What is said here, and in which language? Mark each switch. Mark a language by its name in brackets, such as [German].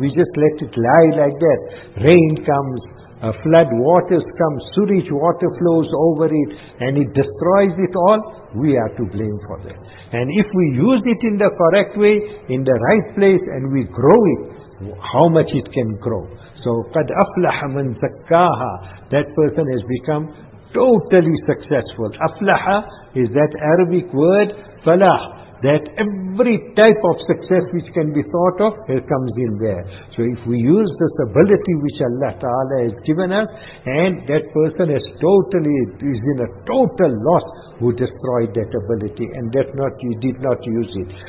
[English] We just let it lie like that. Rain comes, flood waters come, sewage water flows over it, and it destroys it all. We are to blame for that. And if we use it in the correct way, in the right place, and we grow it, how much it can grow. [Arabic] So, قَدْ أَفْلَحَ مَنْ زَكَّاهَا. [English] That person has become totally successful. Aflaha is that Arabic word, falah, that every type of success which can be thought of, it comes in there. So if we use this ability which Allah Ta'ala has given us, and that person is totally, is in a total loss, who destroyed that ability, and that not, he did not use it.